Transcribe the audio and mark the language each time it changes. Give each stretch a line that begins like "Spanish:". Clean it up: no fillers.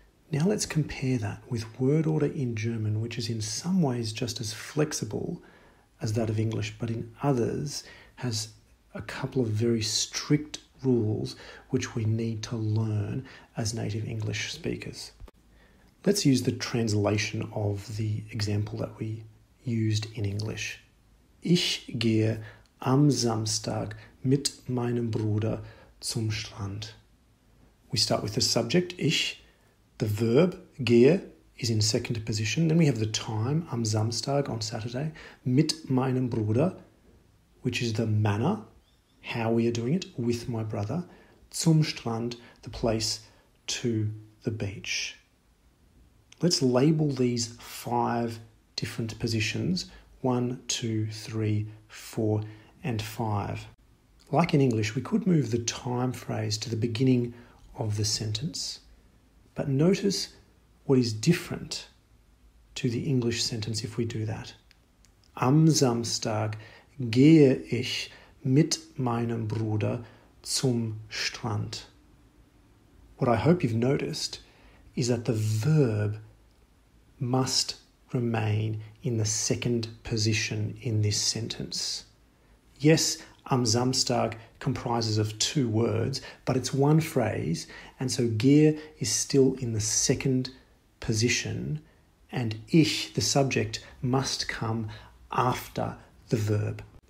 English: Now let's compare that with word order in German, which is in some ways just as flexible as that of English, but in others has a couple of very strict rules which we need to learn as native English speakers. Let's use the translation of the example that we used in English.
German: Ich gehe am Samstag mit meinem Bruder zum Strand.
English: We start with the subject, ich. The verb, gehe, is in second position. Then we have the time,
German: am Samstag,
English: on Saturday,
German: mit meinem Bruder,
English: which is the manner, how we are doing it, with my brother,
German: zum Strand,
English: the place, to the beach. Let's label these five different positions, 1, 2, 3, 4, and 5. Like in English, we could move the time phrase to the beginning of the sentence, but notice what is different to the English sentence if we do that.
German: Am Samstag gehe ich mit meinem Bruder zum Strand.
English: What I hope you've noticed is that the verb must remain in the second position in this sentence. Yes,
German: am Samstag
English: comprises of two words, but it's one phrase, and so gehe is still in the second position, and ich, the subject, must come after the verb.